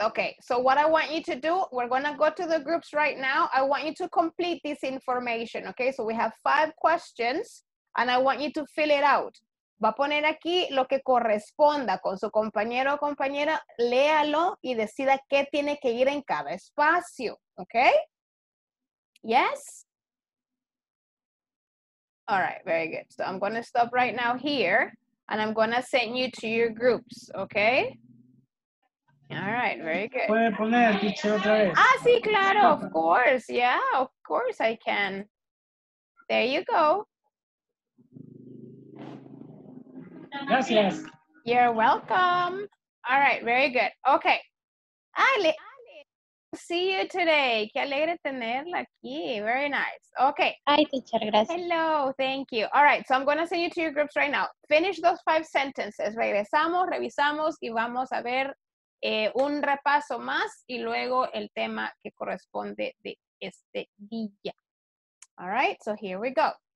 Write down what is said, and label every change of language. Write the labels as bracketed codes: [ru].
[en] Okay, so what I want you to do, we're going to go to the groups right now. I want you to complete this information, okay? So we have 5 questions, and I want you to fill it out. [es] Va a poner aquí lo que corresponda con su compañero o compañera, léalo y decida qué tiene que ir en cada espacio, okay? [en] Yes? All right, very good. So I'm going to stop right now here, and I'm going to send you to your groups, okay? All right, very good. [es] ¿Puede poner el teacher otra vez? Ah, sí, claro, [en] of course. Yeah, of course I can. There you go. [es] Gracias. [en] You're welcome. All right, very good. Okay. Ale, see you today. [es] Qué alegre tenerla aquí. [en] Very nice. Okay. Hi, teacher, [es] gracias. [en] Hello, thank you. All right, so I'm going to send you to your groups right now. Finish those 5 sentences. [es] Regresamos, revisamos y vamos a ver un repaso más y luego el tema que corresponde de este día. All [en] All right, so here we go.